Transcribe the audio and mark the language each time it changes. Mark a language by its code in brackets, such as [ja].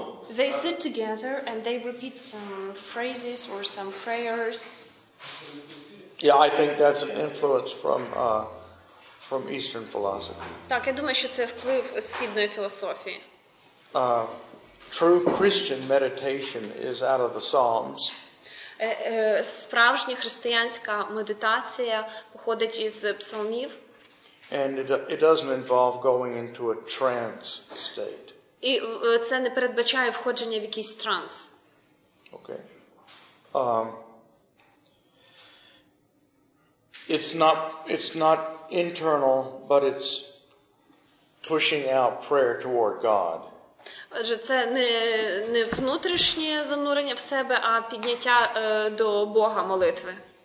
[en] They sit together and they repeat some phrases or some prayers. Yeah, I think that's an influence from Eastern philosophy. [uk] Так, я думаю, що це вплив східної філософії. [en] True Christian meditation is out of the Psalms. [uk] Справжня християнська медитація походить із псалмів. [en] And it doesn't involve going into a trance state. [uk] І це не передбачає входження в якийсь транс. [en] Okay. It's not internal, but it's pushing out prayer toward God. [uk] Отже, це не внутрішнє занурення в себе, а підняття до Бога молитви.